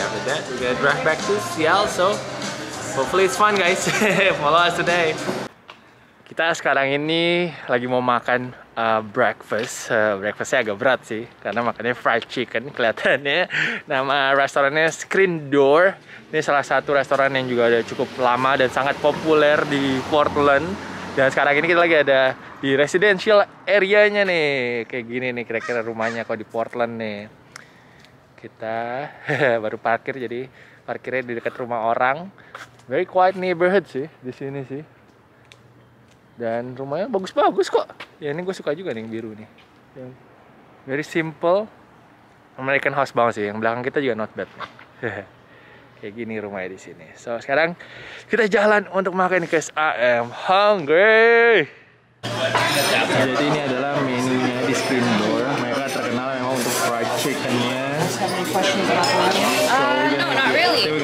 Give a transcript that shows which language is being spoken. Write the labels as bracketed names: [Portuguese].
[English] After that, we gonna drive back to Seattle. So hopefully it's fun guys. Follow us today. [Indonesian] Kita sekarang ini lagi mau makan breakfast. Breakfastnya agak berat sih karena makannya fried chicken kelihatannya. Nama restorannya Screen Door. Ini salah satu restoran yang juga udah cukup lama dan sangat populer di Portland. Dan sekarang ini kita lagi ada di residential area-nya nih. Kayak gini nih kira-kira rumahnya kalau di Portland nih. Kita baru parkir, jadi parkirnya di dekat rumah orang. [English] Very quiet neighborhood [Indonesian] sih di sini sih. Dan rumahnya bagus-bagus kok. Ya ini gue suka juga nih yang biru nih. [English] Very simple. [Indonesian] American house banget sih. Yang belakang kita juga [English] not bad. [Indonesian] Kayak gini rumahnya di sini. So sekarang kita jalan untuk makan [English] because I am hungry. [Indonesian] Jadi ini adalah menunya di Screen Door. Mereka terkenal memang untuk fried chicken-nya. [English] Any questions about the menu? No, not really.